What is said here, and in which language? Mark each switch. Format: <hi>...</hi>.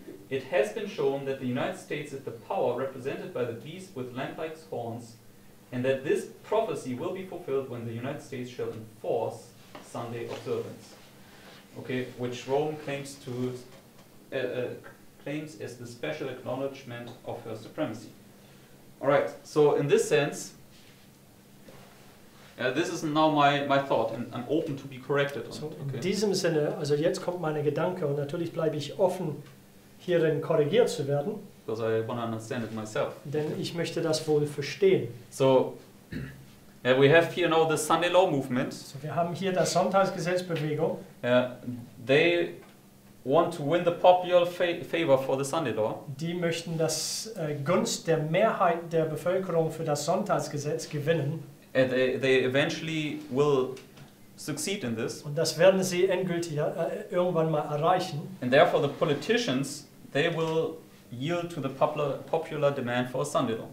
<en>It has been shown that the United States is the power represented by the beast with lamp-like horns, and that this prophecy will be fulfilled when the United States shall enforce Sunday observance. Okay, which Rome claims to claims as the special acknowledgement of her supremacy. All right, so in this sense, this is now my thought, and I'm open to be corrected. So okay.</en> <de>In diesem Sinne, also jetzt kommt meine Gedanke, und natürlich bleibe ich offen, hierin korrigiert zu werden.</de> <en>Because I want to understand it myself.</en> <de>Denn ich möchte das wohl verstehen.</de> <en>So, Yeah, we have here now the Sunday Law Movement.</en> <de>So wir haben hier das Sonntagsgesetzbewegung.</de> <en>They want to win the popular favor for the Sunday Law.</en> <de>Die möchten das Gunst der Mehrheit der Bevölkerung für das Sonntagsgesetz gewinnen.</de> <en>And they eventually will succeed in this.</en> <de>Und das werden sie endgültig irgendwann mal erreichen.</de> <en>And therefore the politicians, they will yield to the popular demand for a Sunday law.</en>